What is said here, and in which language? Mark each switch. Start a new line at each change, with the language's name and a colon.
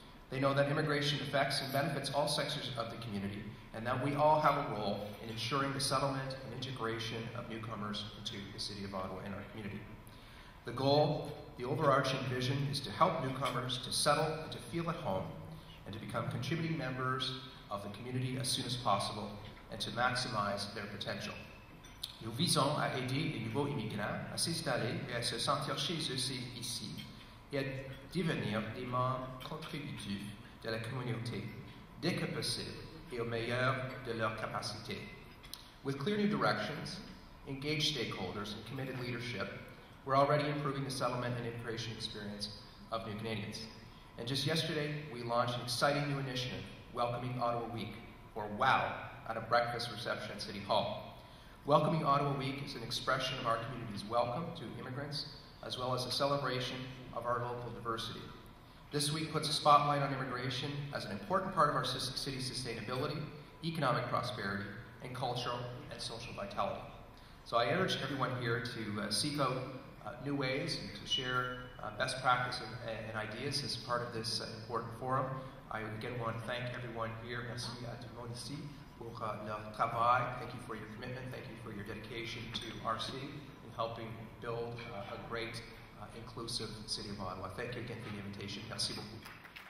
English: They know that immigration affects and benefits all sectors of the community and that we all have a role in ensuring the settlement and integration of newcomers into the City of Ottawa and our community. The goal, the overarching vision, is to help newcomers to settle and to feel at home and to become contributing members of the community as soon as possible and to maximize their potential.
French: Nous visons à aider les nouveaux immigrants à s'installer et à se sentir chez eux ici et à devenir des membres contributifs de la communauté dès que possible et au meilleur de leur capacité.
English: With clear new directions, engaged stakeholders, and committed leadership, we're already improving the settlement and immigration experience of new Canadians. And just yesterday, we launched an exciting new initiative, Welcoming Ottawa Week, or WOW, at a breakfast reception at City Hall. Welcoming Ottawa Week is an expression of our community's welcome to immigrants, as well as a celebration of our local diversity. This week puts a spotlight on immigration as an important part of our city's sustainability, economic prosperity, and cultural and social vitality. So I urge everyone here to seek out new ways and to share best practices and ideas as part of this important forum. I again want to thank everyone here.
French: Merci à tout le monde ici pour leur travail.
English: Thank you for your commitment. Thank you for your dedication to our city in helping build a great, inclusive City of Ottawa. Thank you again for the invitation.
French: Merci beaucoup.